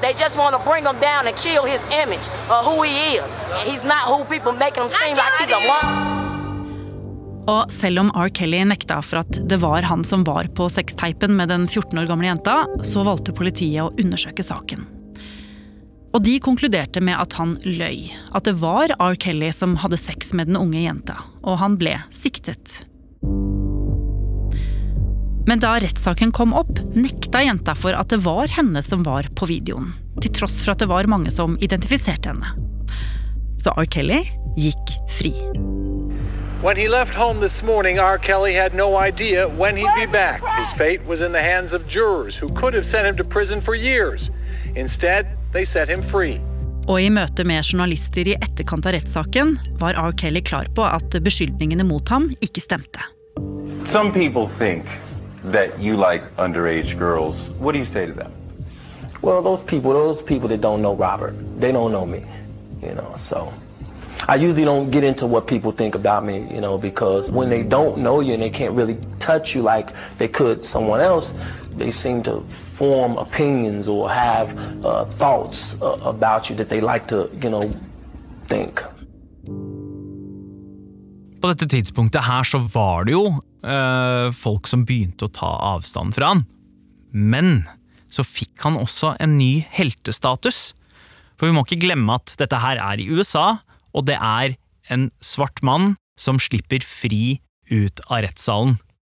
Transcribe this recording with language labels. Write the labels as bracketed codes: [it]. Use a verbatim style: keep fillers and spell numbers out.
[en] They just want to bring him down and kill his image of who he is. He's not who people make him seem like he's a [no] one. Og selv om R. Kelly nekta for at det var han som var på sexteipen med den fjorten år gamle jenta, så valgte politiet å undersøke saken. Og de konkluderte med at han løy, at det var R. Kelly som hadde sex med den unge jenta, og han ble siktet. Men da rettssaken kom opp, nekta jenta for at det var henne som var på videoen, til tross for at det var mange som identifiserte henne. Så R. [en] Kelly [no] gikk fri. [en] When he left home this morning, R. Kelly had no idea when he'd be back. His fate was in the hands of jurors who could have sent him to prison for years. Instead, they set him free. [no] Og i møte med journalister i etterkant av rettssaken var R. Kelly klar på at beskyldningene mot ham ikke stemte. [en] Some people think that you like underage girls. What do you say to them? Well, those people, those people that don't know Robert, they don't know me, you know, so I usually don't get into what people think about me, you know, because when they don't know you and they can't really touch you like they could someone else, they seem to form opinions or have uh, thoughts uh, about you that they like to, you know, think. [no] På dette tidspunktet her så var det jo øh, folk som begynte å ta avstand fra han, men så fikk han også en ny heltestatus. For vi må ikke glemme at dette her er i U S A, og det er en svart mann som slipper fri ut av rettssalen.